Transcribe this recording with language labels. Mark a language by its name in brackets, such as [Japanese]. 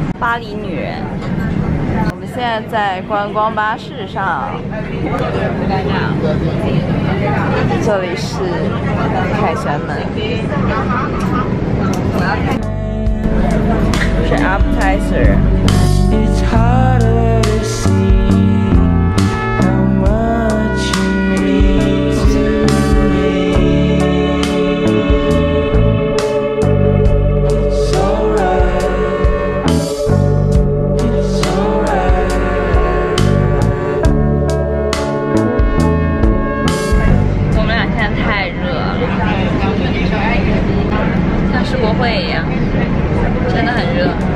[Chinese] 巴黎女人。我们现在在观光巴士上，这里是凯旋门。是 appetizer。 [English] It's harder to see how much you mean to me. It's alright. It's alright. [Chinese] 我们俩现在太热了，像世博会一样，真的很热。